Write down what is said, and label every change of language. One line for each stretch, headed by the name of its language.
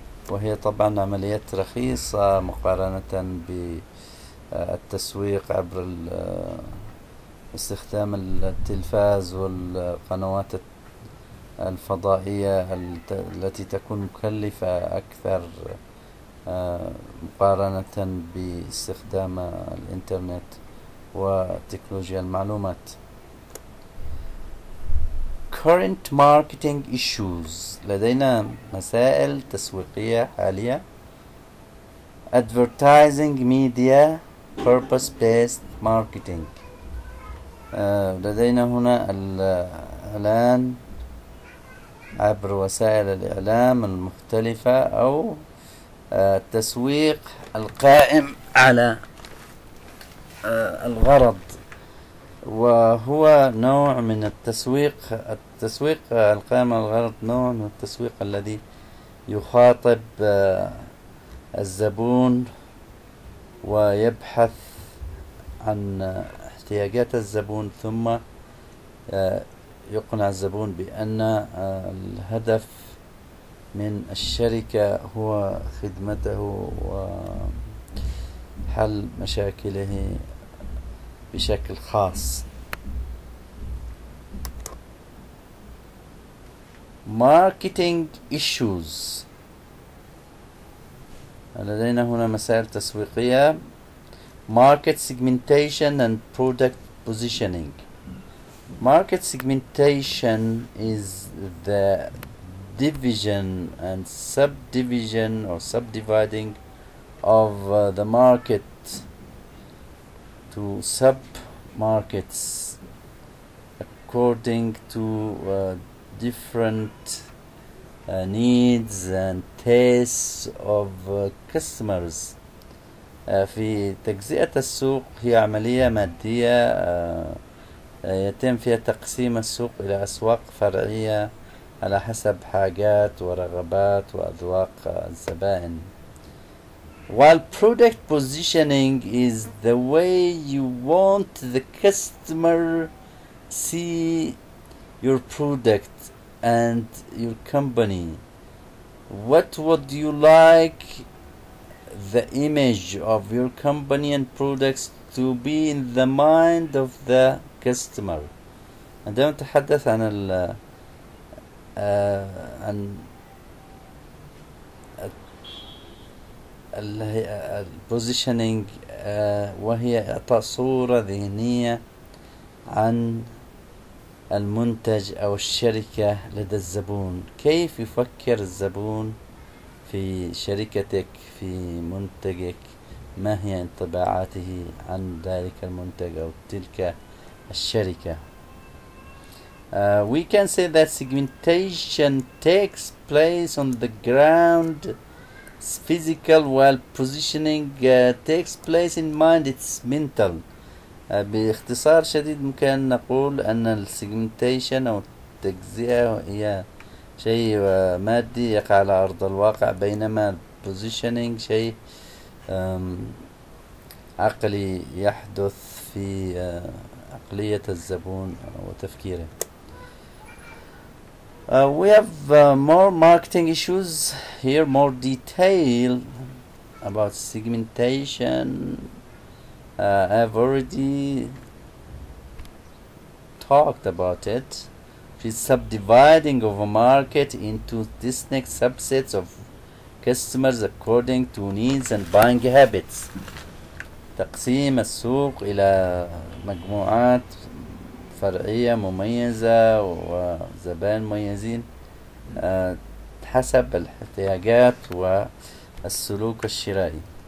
Arabic: وهي طبعا عملية رخيصة مقارنة بالتسويق عبر استخدام التلفاز والقنوات الفضائية التي تكون مكلفة أكثر مقارنة باستخدام الإنترنت وتكنولوجيا المعلومات.
English: Current marketing issues.
Arabic: لدينا مسائل تسويقية حالية.
English: Advertising media purpose-based marketing.
Arabic: لدينا هنا الإعلان عبر وسائل الإعلام المختلفة أو التسويق القائم على الغرض، وهو نوع من التسويق. التسويق القائم على الغرض نوع من التسويق الذي يخاطب الزبون ويبحث عن احتياجات الزبون، ثم يقنع الزبون بأن الهدف من الشركة هو خدمته وحل مشاكله بشكل خاص.
English: Marketing issues.
Arabic: لدينا هنا مسائل تسويقية.
English: Market segmentation and product positioning. Market segmentation is the division and subdivision or subdividing of the market to sub markets according to different needs and tastes of customers.
Arabic: في تجزئة السوق هي عملية مادية يتم فيها تقسيم السوق إلى أسواق فرعية على حسب حاجات ورغبات وأذواق الزبائن.
English: While product positioning is the way you want the customer see your product and your company. What would you like the image of your company and products to be in the mind of the customer?
Arabic: عندما نتحدث عن ال عن اللي هي البوزيشنينج وهي إعطاء صورة ذهنية عن المنتج أو الشركة لدى الزبون. كيف يفكر الزبون في شركتك، في منتجك؟ ما هي انطباعاته عن ذلك المنتج أو تلك الشركة؟
English: We can say that segmentation takes place on the ground. It's physical, while positioning takes place in mind. It's mental.
Arabic: باختصار شديد ممكن نقول أن السيجمنتيشن أو التجزئة هي شيء مادي يقع على أرض الواقع، بينما البوزيشنينج شيء عقلي يحدث في عقلية الزبون وتفكيره.
English: We have more marketing issues here, more detail about segmentation. I've already talked about it. She's subdividing of a market into distinct subsets of customers according to needs and buying habits.
Arabic: تقسيم السوق إلى مجموعات فرعية مميزة وزبائن مميزين حسب الاحتياجات والسلوك الشرائي.